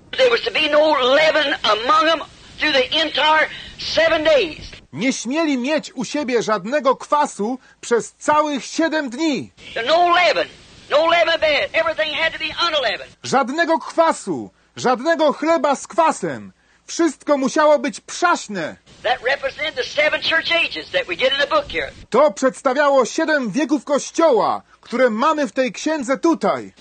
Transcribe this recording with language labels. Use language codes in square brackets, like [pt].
[en] There was to be no leaven among them through the entire seven days. [pl] Nie śmieli mieć u siebie żadnego kwasu przez całych 7 dni. [en] No leaven. No leaven bed. Everything had to be unleavened. [pl] Żadnego kwasu, żadnego chleba z kwasem. Wszystko musiało być przaśne. [en] That represented the seven church ages that we get in the book here. [pl] To przedstawiało 7 wieków Kościoła, które mamy w tej księdze tutaj.